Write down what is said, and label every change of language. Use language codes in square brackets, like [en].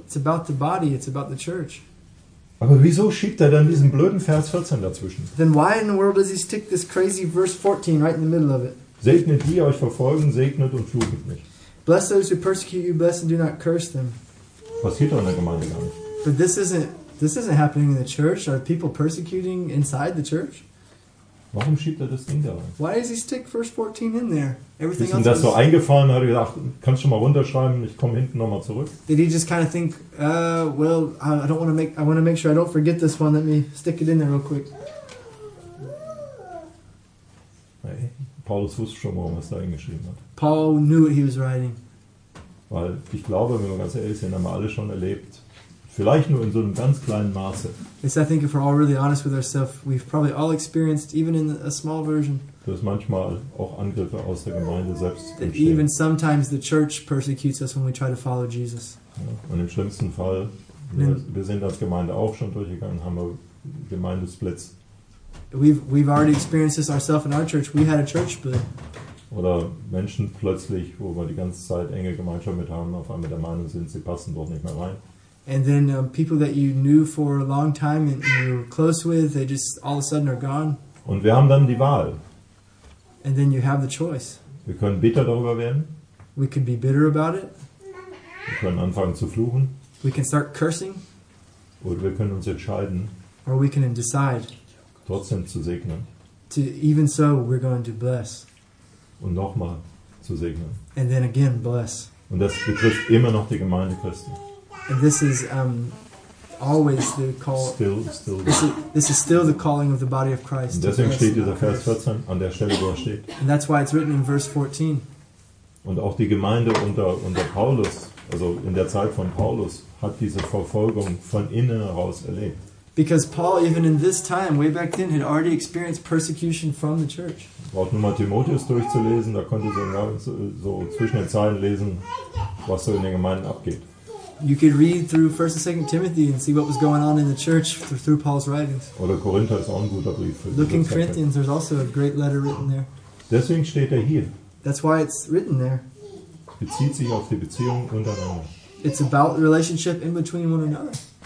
[en] It's about the body, it's about the church. [de] Aber wieso schiebt er dann diesen blöden Vers 14 dazwischen? [en] Then why in the world does he stick this crazy verse 14 right in the middle of it? [de] Segnet die euch verfolgen, segnet und flucht nicht. [en] Bless those who persecute you, bless and do not curse them. [de] Passiert doch in der Gemeinde gar nicht. [en] But this isn't happening in the church. Are people persecuting inside the church? [de] Warum schiebt er das Ding da rein? [en] Why does he stick verse 14 in there? Everything else. [de] Ist ihm das so eingefallen? Hat er gedacht, kannst du mal runterschreiben? Ich komme hinten nochmal zurück. [en] Did he just kind of think, I want to make sure I don't forget this one. Let me stick it in there real quick. [de] Hey, Paulus wusste schon mal, was da hingeschrieben hat. [en] Paul knew what he was writing. [de] Weil ich glaube, wenn wir ganz ehrlich sind, haben wir alle schon erlebt. Vielleicht nur in so einem ganz kleinen Maße. [en] It's, I think if we're all really honest with ourselves, we've probably all experienced, even in a small version, [de] dass manchmal auch Angriffe aus der Gemeinde selbst entstehen. [en] That even sometimes the church persecutes us when we try to follow Jesus. [de] Ja, und im schlimmsten Fall, wir sind als Gemeinde auch schon durchgegangen, haben wir Gemeindesplits. [en] We've already experienced this ourselves in our church. We had a church split. [de] Oder Menschen plötzlich, wo wir die ganze Zeit enge Gemeinschaft mit haben, auf einmal der Meinung sind, sie passen dort nicht mehr rein. [en] And then people that you knew for a long time and you were close with, they just all of a sudden are gone. [de] Und wir haben dann die Wahl. [en] And then you have the choice. [de] Wir können bitter darüber werden. [en] We can be bitter about it. [de] Wir können anfangen zu fluchen. [en] We can start cursing. [de] Oder wir können uns entscheiden. [en] Or we can decide. [de] Trotzdem zu segnen. [en] To even so, we're going to bless. [de] Und nochmal zu segnen. [en] And then again, bless. [de] Und das betrifft immer noch die Gemeinde Christi. [en] And this is always the call. Still. This is still the calling of the body of Christ. [de] Und deswegen steht dieser Vers 14 an der Stelle, wo er steht. [en] And that's why it's written in verse 14. [de] Und auch die Gemeinde unter Paulus, also in der Zeit von Paulus, hat diese Verfolgung von innen heraus erlebt. [en] Because Paul, even in this time, way back then, had already experienced persecution from the church. [de] Braucht nur mal Timotheus durchzulesen, da konnte so zwischen den Zeilen lesen, was so in den Gemeinden abgeht. [en] You could read through 1 and 2 Timothy and see what was going on in the church through Paul's writings. [de] Oder Korinther ist auch ein guter Brief. [en] Looking in Corinthians, there's also a great letter written there. [de] Deswegen steht er hier. [en] That's why it's written there. [de] Bezieht sich auf die Beziehung untereinander. [en] It's about the relationship in between one another.